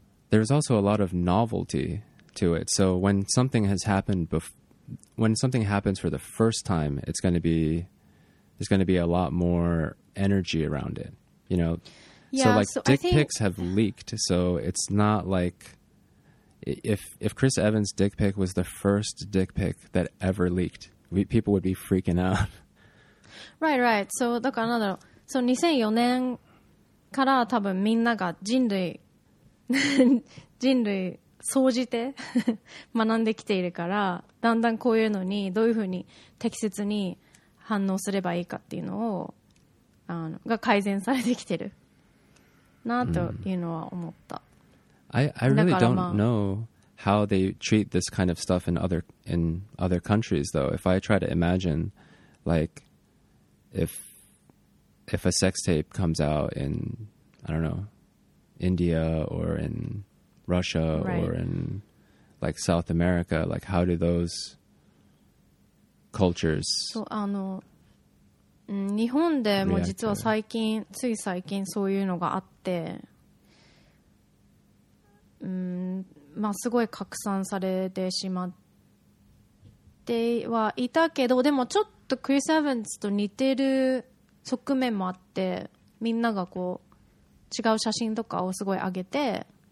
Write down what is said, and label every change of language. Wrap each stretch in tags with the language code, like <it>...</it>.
<en>There's also a lot of novelty. To it. So when something has happened when something happens for the first time, it's going to be, there's going to be a lot more energy around it, you know? Yeah, so like so dick pics have leaked. So it's not like if Chris Evans' dick pic was the first dick pic that ever leaked, people would be freaking out. Right, right.</en> <ja>So, だから、なんだろう。So 2004年から多分みんなが人類総じて学んできているから、だんだんこういうのにどういうふうに適切に反応すればいいかっていうのをが改善されてきてるなというのは思った。</ja> <en>I really don't know how they treat this kind of stuff in other countries, though. If I try to imagine, like, if a sex tape comes out in, I don't know, India or in Russia, right, or in, like, South America, like, how do those cultures...</en> <ja>So, 日本でも実は最近、つい最近そういうのがあって、まあすごい拡散されてしまってはいたけど、でもちょっとクリス・エヴァンスと似てる側面もあって、みんながこう違う写真とかをすごい上げて、</ja>